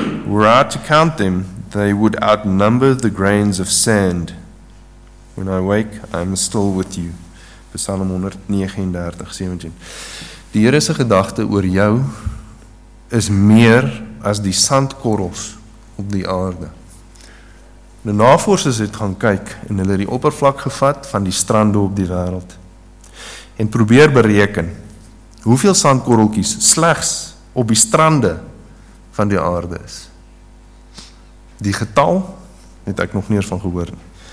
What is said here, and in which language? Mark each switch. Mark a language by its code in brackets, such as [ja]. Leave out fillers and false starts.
[en] Were I to count them, they would outnumber the grains of sand. When I wake, I am still with you. Psalm 139:17. [af] Die Here se gedagte oor jou is meer as die sandkorrels op die aarde. Nou navorsers het gaan kyk en hulle het die oppervlak gevat van die strande op die wêreld en probeer bereken hoeveel sandkorreltjies slegs op die strande van die aarde is. Die getal het ek nog nie eens van gehoor nie.